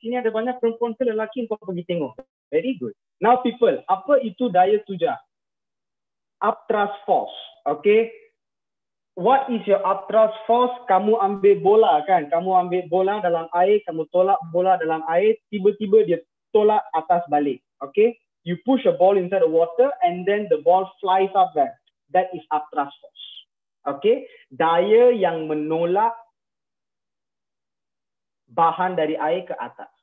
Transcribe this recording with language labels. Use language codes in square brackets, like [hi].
[ms] Sini ada banyak perempuan ke lelaki yang kau pergi tengok. [en] Very good. Now people, [ms] apa itu daya tujah? [en] Up thrust force. [ms] Okay. [en] What is your up thrust force? [ms] Kamu ambil bola kan? Kamu ambil bola dalam air, kamu tolak bola dalam air, tiba-tiba dia tolak atas balik. [en] Okay. You push a ball inside the water and then the ball flies up there. That is up thrust force. [ms] Okay, daya yang menolak bahan dari air ke atas.